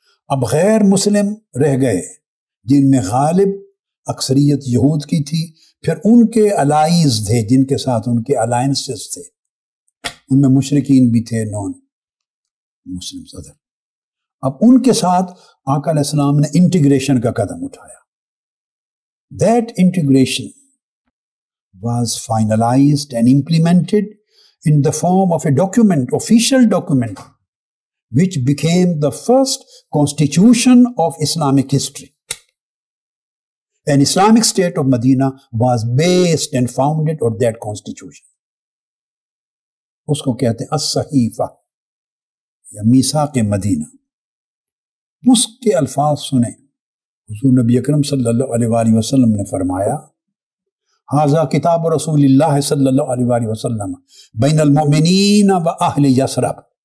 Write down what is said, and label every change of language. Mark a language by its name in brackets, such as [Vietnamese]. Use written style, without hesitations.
[Urdu] اب غیر مسلم رہ گئے جن میں غالب اکثریت یہود کی تھی، پھر ان کے الائنس تھے جن کے ساتھ ان کے الائنسز تھے، ان میں مشرکین بھی تھے نان مسلم صدر. اب ان کے ساتھ آقا علیہ السلام نے انٹیگریشن کا قدم اٹھایا. [English] That integration was finalised and implemented in the form of a document, official document which became the first constitution of Islamic history. An Islamic state of Medina was based and founded on that constitution. [Urdu] اس کو کہتے ہیں الصحیفہ یا میثاق مدینہ. اس کے الفاظ سنیں، حضور نبی اکرم صلی اللہ علیہ وآلہ وسلم نے فرمایا، [Arabic] ھذا کتاب رسول اللہ صلی اللہ علیہ وآلہ وسلم بین المؤمنین و اہل یثرب.